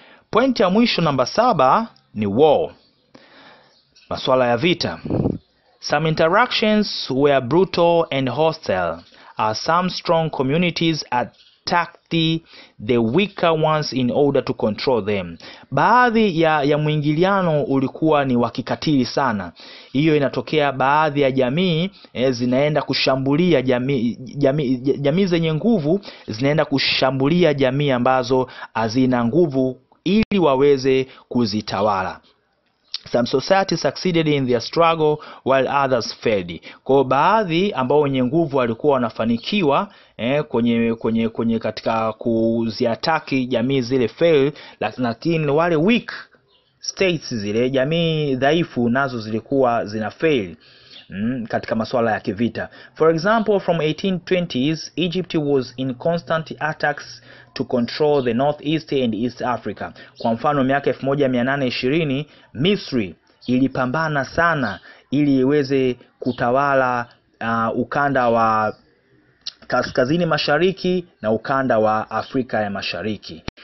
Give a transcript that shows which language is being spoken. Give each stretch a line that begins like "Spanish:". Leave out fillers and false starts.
Swahili: Point ya mwisho namba saba ni war. Masuala ya vita.
English: Some interactions were brutal and hostile, as some strong communities attacked the weaker ones in order to control them.
Swahili: Baadhi ya mwingiliano ulikuwa ni wa kikatili sana. Hiyo inatokea baadhi ya jamii zinaenda kushambulia jamii zenye nguvu, zinaenda kushambulia jamii ambazo hazina nguvu ili waweze kuzitawala.
English: Some societies succeeded in their struggle while others failed.
Swahili: Kwa baadhi ambao wenye nguvu walikuwa wanafanikiwa kwenye katika kuziataki jamii zile fail, lakini wale
English: weak states,
Swahili: zile jamii dhaifu, nazo zilikuwa zina fail katika masuala ya kivita.
English: For example, from 1820s Egypt was in constant attacks to control the northeast and east Africa.
Swahili: Kwa mfano, miaka 1820 Misri ilipambana sana ili iweze kutawala ukanda wa kaskazini mashariki na ukanda wa Afrika ya mashariki.